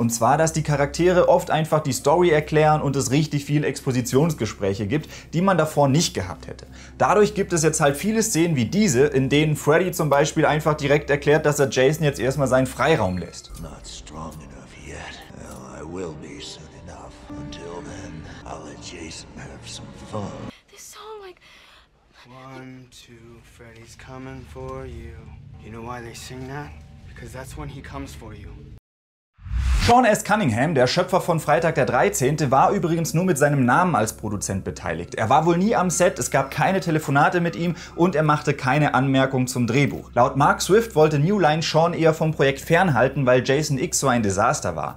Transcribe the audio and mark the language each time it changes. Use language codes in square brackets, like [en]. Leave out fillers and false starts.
[de] Und zwar, dass die Charaktere oft einfach die Story erklären und es richtig viel Expositionsgespräche gibt, die man davor nicht gehabt hätte. Dadurch gibt es jetzt halt viele Szenen wie diese, in denen Freddy zum Beispiel einfach direkt erklärt, dass er Jason jetzt erstmal seinen Freiraum lässt. [en] Not strong enough yet. I will be soon enough. Until then, I'll let Jason have some fun. This song, like... 1, 2, Freddy's coming for you. You know why they sing that? Because that's when he comes for you. [de] Sean S. Cunningham, der Schöpfer von Freitag der 13., war übrigens nur mit seinem Namen als Produzent beteiligt. Er war wohl nie am Set, es gab keine Telefonate mit ihm und er machte keine Anmerkung zum Drehbuch. Laut Mark Swift wollte New Line Sean eher vom Projekt fernhalten, weil Jason X so ein Desaster war.